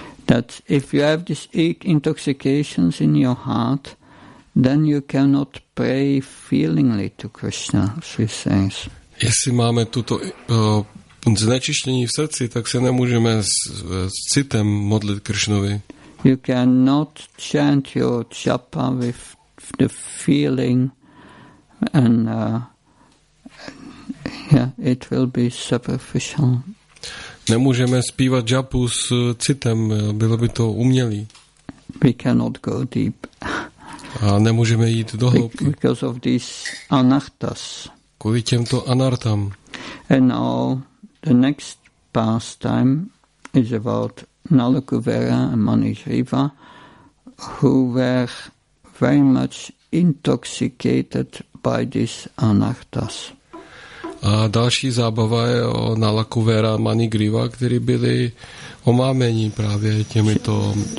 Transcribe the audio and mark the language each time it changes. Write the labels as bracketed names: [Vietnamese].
[English] That if you have these intoxications in your heart, then you cannot pray feelingly to Krishna, she says. [Czech] Jestli máme tuto znečištění v srdci, tak se nemůžeme s citem modlit Krishnovi. [English] You cannot chant your japa with the feeling and it will be superficial. [Czech] Nemůžeme zpívat japu s citem, bylo by to umělý. [English] We cannot go deep. [Czech] A nemůžeme jít do hloubky. [English] Because of these anarthas. [Czech] Kvůli těmto anartham. [English] And now the next pastime is about Nalukuvera and Manishriva, who were very much intoxicated by these anarthas. [Czech] A další zábava je o Nalukuvera a Manishriva, kteří byli omámení právě těmito